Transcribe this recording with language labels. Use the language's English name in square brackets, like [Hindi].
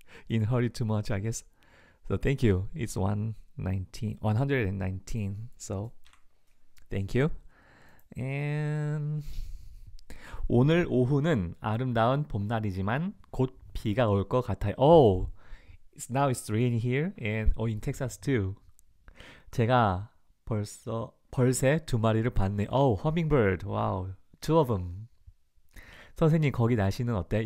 [English] In hurry too much, I guess. So thank you. It's 119. So, thank you. And [Korean] 오늘 오후는 아름다운 봄날이지만 곧 비가 올것 같아요. [English] Oh, now it's raining here and in Texas too. [Korean] 제가 벌새 두 마리를 봤네. [English] Oh, hummingbird. Wow, two of them. [Korean] 선생님, 거기 날씨는 어때?